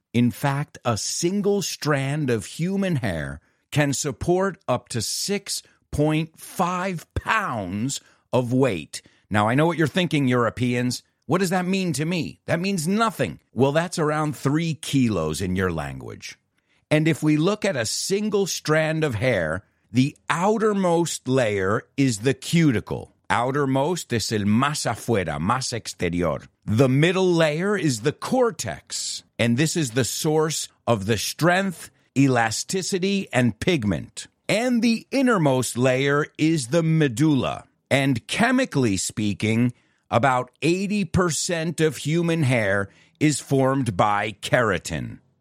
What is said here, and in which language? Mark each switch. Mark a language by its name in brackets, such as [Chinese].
[English] In fact, a single strand of human hair can support up to 6.5 pounds of weight. Now, I know what you're thinking, Europeans. What does that mean to me? That means nothing. Well, that's around 3 kilos in your language. And if we look at a single strand of hair, the outermost layer is the cuticle. [Spanish] Outermost es el más afuera, más exterior. [English] The middle layer is the cortex, and this is the source of the strength, elasticity, and pigment. And the innermost layer is the medulla. And chemically speaking, about 80% of human hair is formed by keratin.